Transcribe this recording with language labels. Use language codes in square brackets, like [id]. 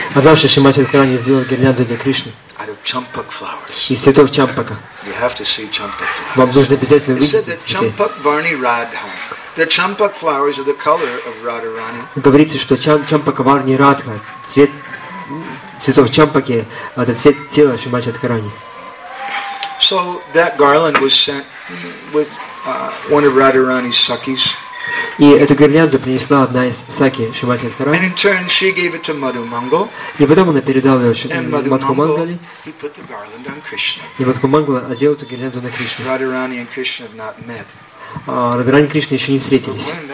[ru] А дальше Шримати Радхарани сделал гирлянду для Кришны. [en] Out of champak flowers. [ru] Из цветов чампака. [en] You have to see champak flowers. [ru] Вам нужно обязательно увидеть. [en] It said that champak varni radhan. The champak flowers are the color of Radharani. [ru] Говорится, что [sa] champak varni radhan, [ru] цвет цветов чампаки, это цвет тела Шримати Радхарани. [en] So that garland was sent with one of Radharani's sakis. [ru] И эту гирлянду принесла одна из саки Шримати Радхарани. И потом она передала ее Мадху Мангали. И Мадху Мангала одела эту гирлянду на Кришну. Радхарани и Кришна еще не встретились.